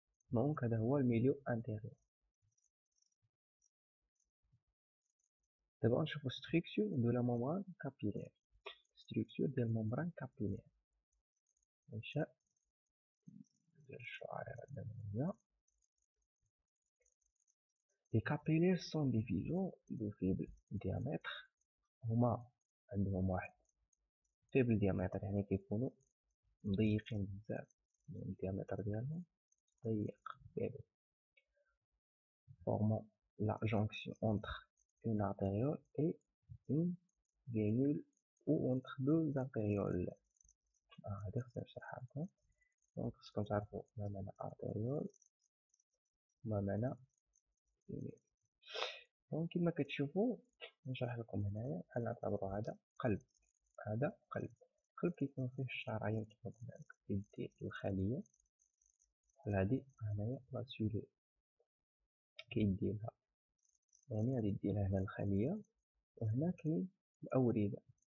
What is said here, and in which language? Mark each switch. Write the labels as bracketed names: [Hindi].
[Arabic] دونك هذا هو الميليو انتيريور. دابا نشوفو ستركتور دو لا مومبران كابيلير. ستركتور ديال مومبران كابيلير انشاء ديال الشعيرة الدموية. [French] Les capillaires sont des vaisseaux de faible diamètre. [Arabic] Huma عندهم واحد [French] faible diamètre، [Arabic] يعني كيكونوا ضيقين بزاف، يعني الديامتر ديالهم ضيق faible. [French] Formant la jonction entre une artériole et une veinule ou entre deux artérioles. [Arabic] Ah, هذا خصنا نشرحها لكم. دونك خصكم تعرفوا ما معنى artériol، ما معنى. دونك كما كتشوفوا نشرح لكم هنايا، انا نعتبر هذا قلب، هذا قلب. القلب كيكون فيه الشرايين كما قلنا لك في الدير الخليه، بحال هادي هنايا لا سيلو كيديرها، يعني غادي ديرها هنا الخليه، وهنا كاين الاورده.